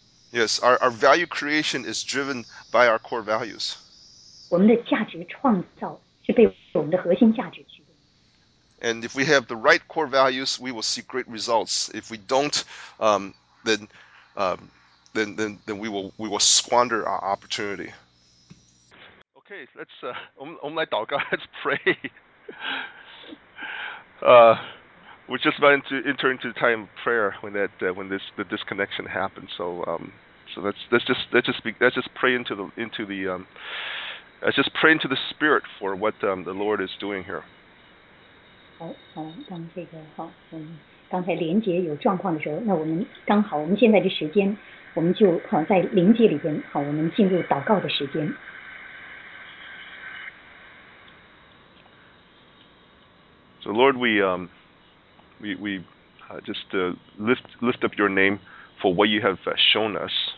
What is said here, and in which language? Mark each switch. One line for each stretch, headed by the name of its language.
English: Yes, our value creation is driven by our core values.
Chinese: 我们的价值创造是被我们的核心价值驱动。
English: And if we have the right core values, we will see great results. If we don't, then we will squander our opportunity. Okay, let's
Chinese: 我们来祷告
English: let's pray. We're just about to enter into the time of prayer when the disconnection happens. So let's just pray into the spirit for what the Lord is doing here.
Chinese: 当这个刚才连结有状况的时候，那我们刚好我们现在的时间，我们就在连结里边我们进入祷告的时间。
English: So Lord, we lift up your name for what you have shown us.